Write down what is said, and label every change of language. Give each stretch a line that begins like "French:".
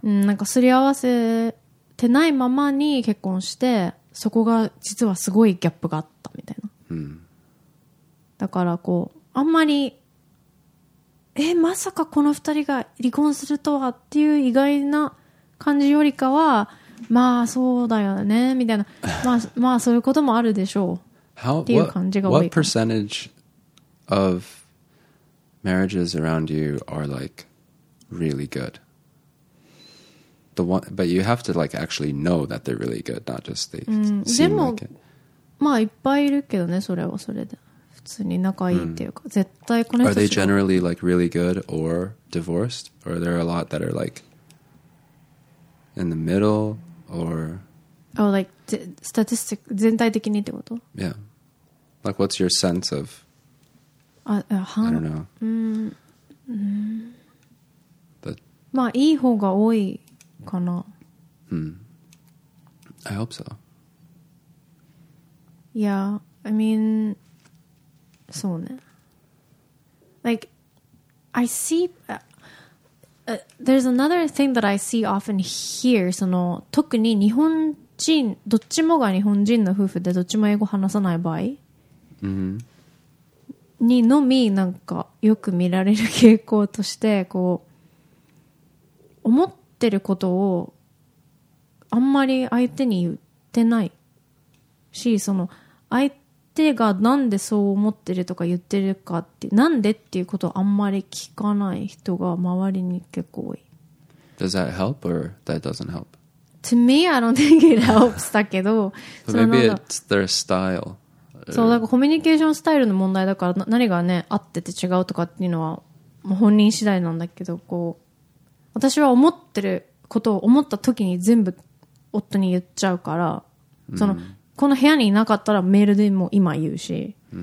Japanese: なんかすり合わせてないままに結婚して、そこが実はすごいギャップがあったみたいな、だからこうあんまりまさかこの二人が離婚するとはっていう意外な感じよりかは、まあそうだよねみたいな、まあそういうこともあるでしょうっていう感じが多い。
English: What percentage of marriages around you are like really good? The one, but you have to like actually know that they're really good, not just they seem like it.
Japanese: まあいっぱいいるけどね、それはそれで。普通に仲いいっていうか、絶対この人。
English: Are they generally like really good or divorced? Or are there a lot that are like in the middle or? Oh, like statistic
Japanese: 全体的にってこと？
English: Yeah. Like, what's your sense of? I don't know.
Japanese: まあいい方が多いかな。
English: I hope so. Yeah, I mean.
Japanese: そうね。
English: Like, I see... there's another thing that I see often here.
Japanese: その特に日本人、どっちもが日本人の夫婦でどっちも英語話さない場合、にのみなんかよく見られる傾向として、こう思ってることをあんまり相手に言ってないし、その相手相手がなんでそう思ってるとか言ってるかって、なんでっていうことをあんまり聞かない人が周りに結構多い。
English: Does that help or that doesn't help? To me, I don't think it helps
Japanese: だけど、
English: so、Maybe it's their style.
Japanese: そう、だからコミュニケーションスタイルの問題だから、何がね合ってて違うとかっていうのは本人次第なんだけど、こう私は思ってることを思った時に全部夫に言っちゃうから、その、この部屋にいなかったらメールでも今言うし、